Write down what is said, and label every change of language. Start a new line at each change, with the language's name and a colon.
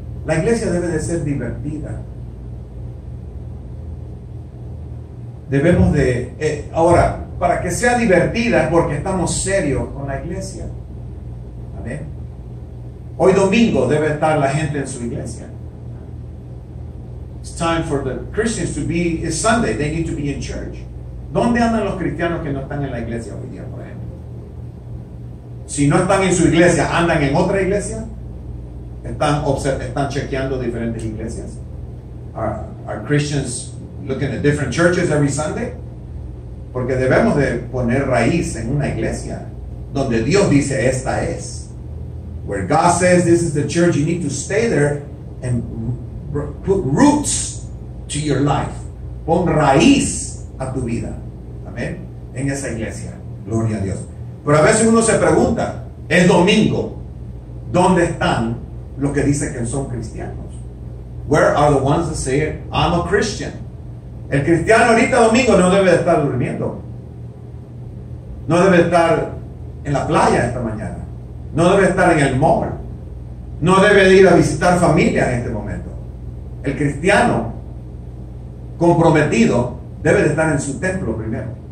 Spanish: La iglesia debe de ser divertida. Debemos de, ahora, para que sea divertida, porque estamos serios con la iglesia. Amén. Hoy domingo debe estar la gente en su iglesia.
English: It's time for the Christians to be, it's Sunday, they need to be in church.
Spanish: ¿Dónde andan los cristianos que no están en la iglesia hoy día, por ejemplo? Si no están en su iglesia, ¿andan en otra iglesia? ¿Están chequeando diferentes iglesias?
English: ¿Are Christians looking at different churches every Sunday?
Spanish: Porque debemos de poner raíz en una iglesia donde Dios dice, esta es.
English: Where God says, this is the church, you need to stay there and put roots to your life.
Spanish: Pon raíz a tu vida. Amén. En esa iglesia. Gloria a Dios. Pero a veces uno se pregunta, es domingo, ¿dónde están los que dicen que son cristianos?
English: Where are the ones that say, I'm a Christian?
Spanish: El cristiano ahorita domingo no debe estar durmiendo. No debe estar en la playa esta mañana. No debe estar en el mall. No debe ir a visitar familia en este momento. El cristiano comprometido debe de estar en su templo primero.